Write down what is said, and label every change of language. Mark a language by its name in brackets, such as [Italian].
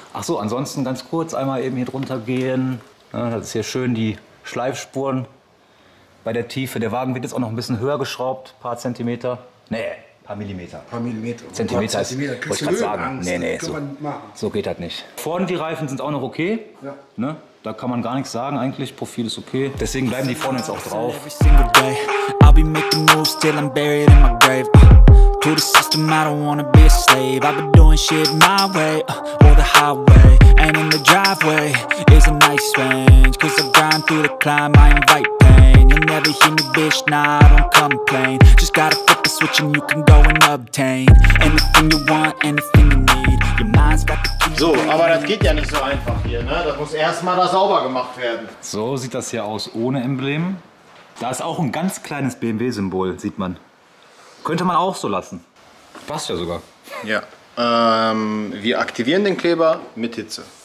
[German] Ach so, ansonsten ganz kurz einmal eben hier drunter gehen. Ja, das ist hier schön, die Schleifspuren bei der Tiefe. Der Wagen wird jetzt auch noch ein bisschen höher geschraubt, paar Zentimeter. Nee, paar Millimeter. Paar Millimeter. Zentimeter, wollte ich gerade sagen. Nee, so geht das nicht. Vorne die Reifen sind auch noch okay. Ja. Ne? Da kann man gar nichts sagen eigentlich, Profil ist okay. Deswegen bleiben die vorne jetzt auch drauf. [English] I'll be making moves till I'm buried in my grave. To the system, I don't wanna be a slave. I've been doing shit my way, or the highway. And in the driveway is a nice range. Cause I grind through the climb, I invite pain. You'll never hear me, bitch, nah, I don't complain. Just gotta flip the switch and you can go and obtain anything you want, anything you need. [German] So, aber das geht ja nicht so einfach hier, ne? Das muss erstmal da sauber gemacht werden. So sieht das hier aus ohne Emblem. Da ist auch ein ganz kleines BMW-Symbol, sieht man. Könnte man auch so lassen. Passt ja sogar. Ja, wir aktivieren den Kleber mit Hitze.